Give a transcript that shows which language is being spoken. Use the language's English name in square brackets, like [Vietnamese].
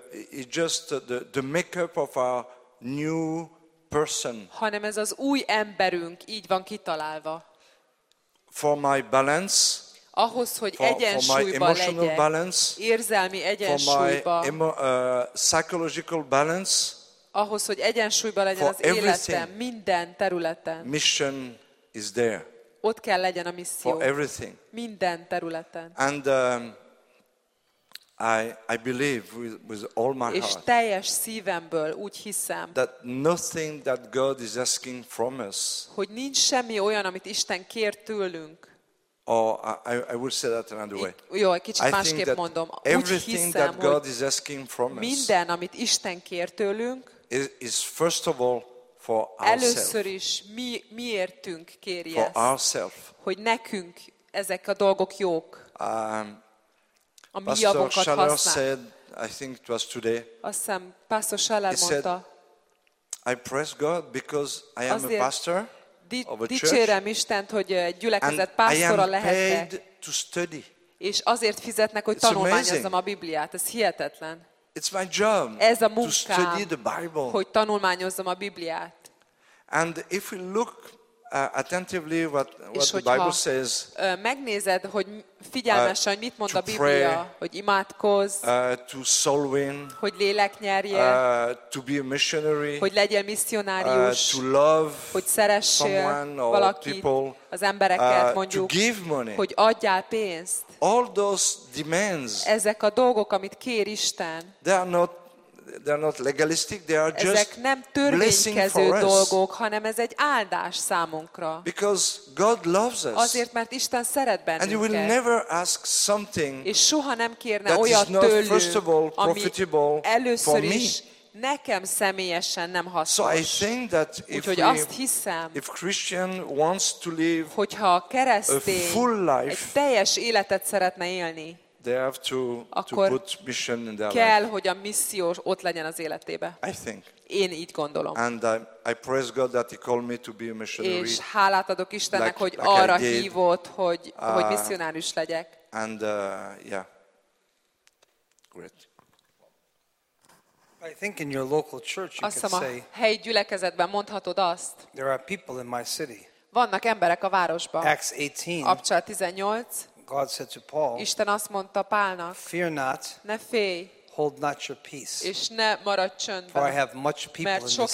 [English] It's just the makeup of our new person. [Hungarian] Hanem ez az új emberünk így van kitalálva. [English] For my balance. [Hungarian] Ahhoz, hogy egyensúlyba legyek. Érzelmi egyensúlyba. [English] For my psychological balance. [Hungarian] Ahhoz, hogy egyensúlyba legyen az életem minden területen. [English] Mission is there. [Hungarian] Ott kell legyen a misszió. [English] For everything. [Hungarian] Minden területen. [English] And I believe with all my heart. [Hungarian] És teljes szívemből úgy hiszem. [English] That nothing that God is asking from us. [Hungarian] Hogy nincs semmi olyan, amit Isten kér tőlünk. [English] Oh, I will say that another way. [Hungarian] Jó, egy kicsit másképp mondom. [English] Everything that God is asking from us. [Hungarian] Minden, amit Isten kér tőlünk. [English] Is first of all for ourselves. [Hungarian] Először is miértünk kéri ezt. [English] For ourselves. [Hungarian] Hogy nekünk ezek a dolgok jók. [English] Pastor Schaller said, I think it was today. [Hungarian] Aztán Pastor Schaller mondta. [English] He said, I praise God because I am a pastor of a church. [Hungarian] Dicsérem Istent, hogy egy gyülekezet pásztora lehetek. [English] I am paid to study. [Hungarian] És azért fizetnek, hogy tanulmányozzam a Bibliát. Ez hihetetlen. [English] It's my job. [Hungarian] Ez a munkám. [English] To study the Bible. [Hungarian] Hogy tanulmányozzam a Bibliát. [English] And if we look attentively what the Bible says. [Hungarian] Megnézed, hogy figyelmesen, hogy mit mond a Biblia, hogy imádkozz, [English] to soul win, [Hungarian] hogy lélek nyerje, [English] to be a missionary, [Hungarian] hogy legyél misszionárius, [English] to love, [Hungarian] hogy szeressél valakit, [English] people, [Hungarian] az embereket mondjuk, [English] to give money, [Hungarian] hogy adjál pénzt. [English] All those demands. [Hungarian] Ezek a dolgok, amit kér Isten. [English] They are not they're not legalistic, they are [Hungarian] just ezek nem törvénykező dolgok, hanem ez egy áldás számunkra. [English] Because God loves us. [Hungarian] Azért, mert Isten szeret bennünket. [English] And you will never ask something [Hungarian] és soha nem kérne olyat tőlünk, [English] first of all, profitable [Hungarian] ami először [English] for me. Is [Hungarian] nekem személyesen nem hasznos. [English] So I think that if [Hungarian] úgyhogy azt hiszem, [English] if Christian wants to live [Hungarian] hogyha a keresztény [English] a full life, [Hungarian] egy teljes életet szeretne élni, [English] they have to put mission in their [Hungarian] kell, [English] life. [Hungarian] Hogy a misszió ott legyen az életébe. [English] I think. [Hungarian] Én így gondolom. [English] And I praise God that he called me to be a missionary. [Hungarian] És hálát adok Istennek, like, hogy arra like hívott, hogy misszionárius legyek. [English] And yeah. Great. I think in your local church you can say. [Hungarian] Helyi gyülekezetben mondhatod azt. [English] There are people in my city. [Hungarian] Vannak emberek a városban. [English] Acts 18. [Hungarian] Apcsal 18. [English] God said to Paul, [Hungarian] Isten azt mondta Pálnak, [English] fear not, [Hungarian] ne félj, [English] hold not your peace, [Hungarian] és ne maradj csöndben, [English] for I have much people [Hungarian] mert sok